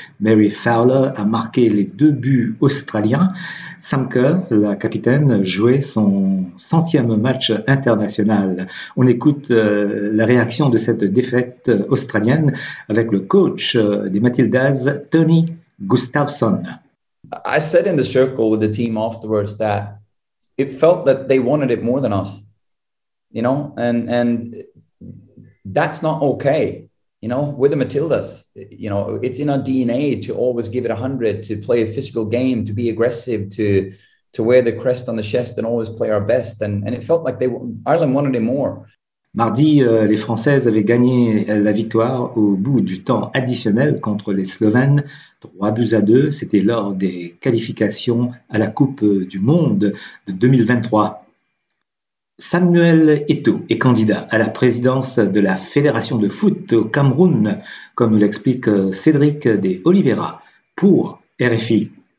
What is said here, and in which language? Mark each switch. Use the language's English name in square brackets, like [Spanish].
[French] Mary Fowler a marqué les 2 buts australiens. Sam Kerr, la capitaine, jouait son 100e match international. On écoute la réaction de cette défaite australienne avec le coach des Matildas, Tony Gustafsson. [English] I said in the circle with the team afterwards that it felt that they wanted it more than us. You know, and that's not okay, you know, with the Matildas. You know, it's in our DNA to always give it 100, to play a physical game, to be aggressive, to wear the crest on the chest and always play our best. And it felt like Ireland wanted it more. [French] Mardi, les Françaises avaient gagné la victoire au bout du temps additionnel contre les Slovènes, 3-2. C'était lors des qualifications à la Coupe du Monde de 2023. Samuel Eto'o est candidat à la présidence de la Fédération de foot au Cameroun, comme nous l'explique Cédric de Oliveira pour RFI.